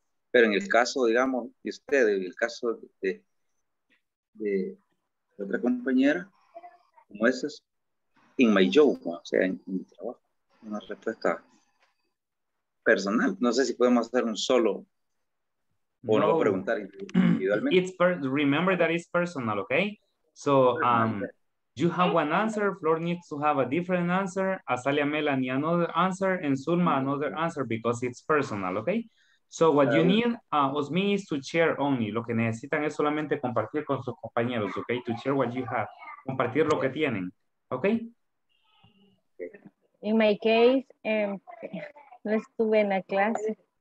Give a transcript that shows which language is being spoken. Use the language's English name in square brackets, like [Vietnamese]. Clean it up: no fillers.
[Spanish] Pero en el caso, digamos, de usted, en el caso de otra compañera, como esas, [English] in my job, [Spanish] o sea, en mi trabajo, una respuesta personal. No sé si podemos hacer un solo o no preguntar individualmente. [English] It's remember that it's personal, okay? So, you have one answer, Flor needs to have a different answer, Azalea Melanie another answer, and Zulma another answer because it's personal, okay? So what you need, Osmi, is to share only. [Spanish] Lo que necesitan es solamente compartir con sus compañeros, okay? [English] To share what you have. [Spanish] Compartir lo que tienen, [English] okay? In my case, [Spanish] no estuve en la clase.